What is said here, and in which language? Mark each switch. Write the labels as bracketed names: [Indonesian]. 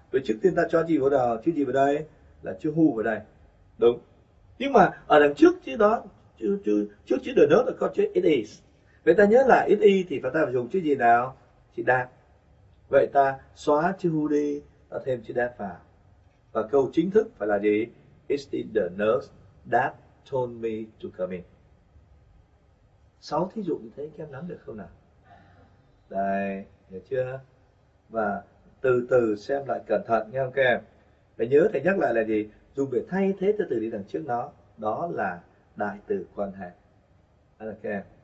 [Vietnamese] Vậy trước tiên ta cho gì vào đầu? Chữ gì vào đây? Là chữ who vào đây. Đúng. Nhưng mà ở đằng trước chữ đó, trước chữ [English] the nurse [Vietnamese] là có chữ [English] it is. [Vietnamese] Vậy ta nhớ là [English] it is [Vietnamese] thì phải ta phải dùng chữ gì nào? Chữ that. Vậy ta xóa chữ who đi, ta thêm chữ that vào. Và câu chính thức phải là gì? [English] It's the nurse that told me to come in. [Vietnamese] Sáu thí dụ như thế, các em nắm được không nào? Đây, hiểu chưa? Và từ từ xem lại cẩn thận nghe không các em? Phải nhớ thầy nhắc lại là gì? Dùng để thay thế từ từ đi đằng trước nó, đó là đại từ quan hệ. Đó là các em.